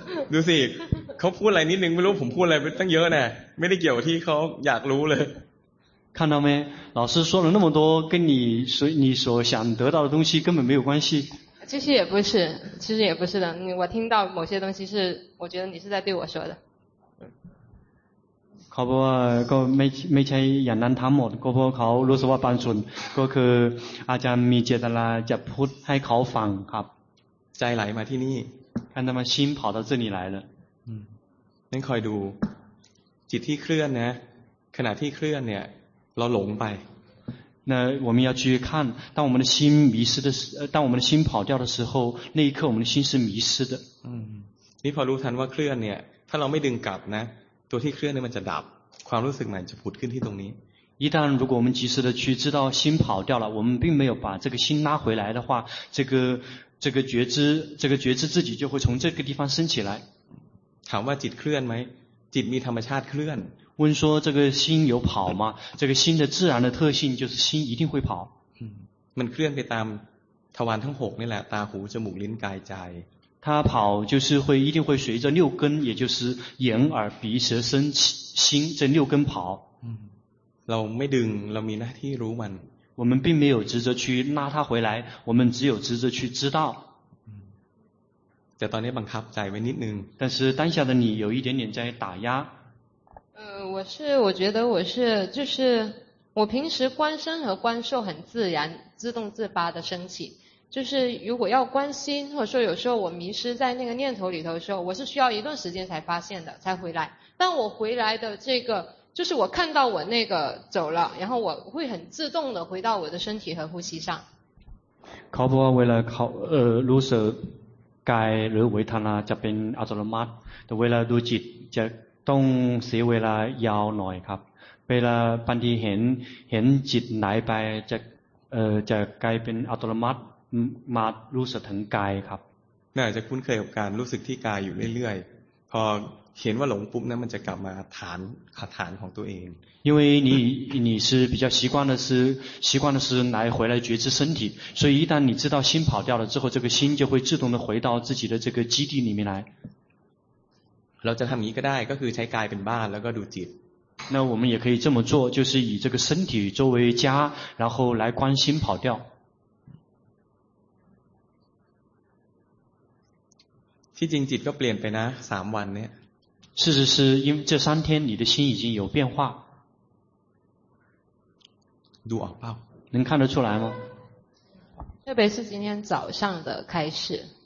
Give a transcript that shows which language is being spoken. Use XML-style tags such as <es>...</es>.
<th>ดูสิเขาพูดอะไรนิดนึงไม่รู้ผมพูดอะไรไปตั้งเยอะแน่ไม่ได้เกี่ยวที่เขาอยากรู้เลย</th> <zh>看到没老师说了那么多跟你所想得到的东西根本没有关系其实也不是其实也不是的我听到某些东西是我觉得你是在对我说的</zh> <th>เขาบอกว่าก็ไม่ใช่อย่างนั้นทั้งหมดก็เพราะเขารู้สึกว่าบางส่วนก็คืออาจารย์มีเจตนาจะพูดให้เขาฟังครับ ใจไหลมาที่นี่</th> <zh>看他们心跑到这里来了</zh> <th>นั่นคอยดูจิตที่เคลื่อนนะขณะที่เคลื่อนเนี่ยเราหลงไป</th> <zh>那我们要去看当我们的心迷失的当我们的心跑掉的时候那一刻我们的心是迷失的</zh> <th>นี่พอรู้ทันว่าเคลื่อนเนี่ยถ้าเราไม่ดึงกลับนะตัวที่เคลื่อนนี่มันจะดับความรู้สึกใหม่จะผุดขึ้นที่ตรงนี้</th> <zh>一旦如果我们及时的去知道心跑掉了我们并没有把这个心拉回来的话这个觉知这个觉知自己就会从这个地方升起来</zh> <th>ถามว่าจิตเคลื่อนไหมจิตมีธรรมชาติเคลื่อน</th> <zh>问说这个心有跑吗这个心的自然的特性就是心一定会跑</zh> <th>มันเคลื่อนไปตามทวารทั้ง6นี่แหละตาหูจมูกลิ้นกายใจ</th> <zh>他跑就是会一定会随着六根也就是眼耳鼻舌身心这六根跑</zh> <th>เราไม่ดึงเรามีหน้าที่รู้มัน</th> <zh>我们并没有职责去拉他回来我们只有职责去知道</zh> <th>แต่ตอนนี้บังคับใจไว้นิดนึง</th> <zh>但是当下的你有一点点在打压我觉得我是就是我平时观身和观受很自然自动自发的升起就是如果要关心或者说有时候我迷失在那个念头里头的时候我是需要一段时间才发现的才回来但我回来的这个就是我看到我那个走了然后我会很自动的回到我的身体和呼吸上考不为了考</zh> <th>รู้สึกใจหรือเวทนาจะเป็นอัตโนมัติแต่เวลาดูจิตจะต้องเสียเวลายาวหน่อยครับเวลาบางทีเห็นจิตไหลไปจะกลายเป็นอัตโนมัติมารู้สึกถึงกายครับ น่าจะคุ้นเคยกับการรู้สึกที่กายอยู่เรื่อยๆพอเห็นว่าหลงปุ๊บนั้นมันจะกลับมาฐานของตัวเอง</th> <zh>因为你是比较习惯的是来回来觉知身体所以一旦你知道心跑掉了之后这个心就会自动的回到自己的这个基地里面来</zh> <th>เราจะทำอย่างนี้ก็ได้ก็คือใช้กายเป็นบ้านแล้วก็ดูจิต</th> <zh>那我们也可以这么做，就是以这个身体作为家，然后来关心跑掉。</zh> <th>ที่จริงจิตก็เปลี่ยนไปนะสามวันเนี่ย</th> <zh>事实是因为这三天你的心已经有变化。</zh> <th>ดูออกป่าว</th> <zh>能看得出来吗？特别是今天早上的开始。</zh>